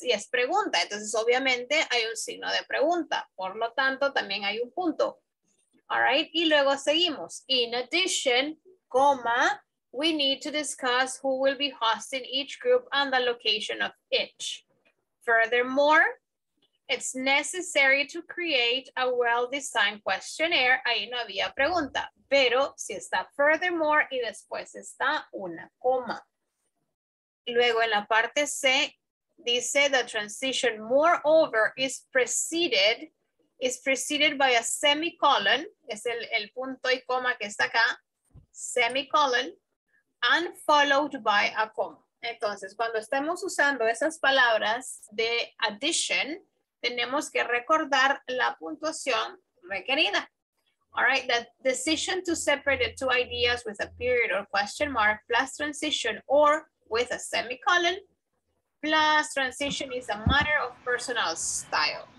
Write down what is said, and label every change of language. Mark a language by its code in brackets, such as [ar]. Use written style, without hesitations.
[es] Y es pregunta, entonces obviamente hay un signo de pregunta, por lo tanto también hay un punto. [en] All right, [es] y luego seguimos, [en] in addition, comma, we need to discuss who will be hosting each group and the location of each. Furthermore, it's necessary to create a well-designed questionnaire. [es] Ahí no había pregunta, pero si está furthermore y después está una coma. Luego en la parte C dice [en] the transition moreover is preceded by a semicolon. [es] Es el punto y coma que está acá. Semicolon. [en] And followed by a comma. [es] Entonces, cuando estemos usando esas palabras de addition, tenemos que recordar la puntuación requerida. [en] All right, the decision to separate the two ideas with a period or question mark plus transition or with a semicolon plus transition is a matter of personal style.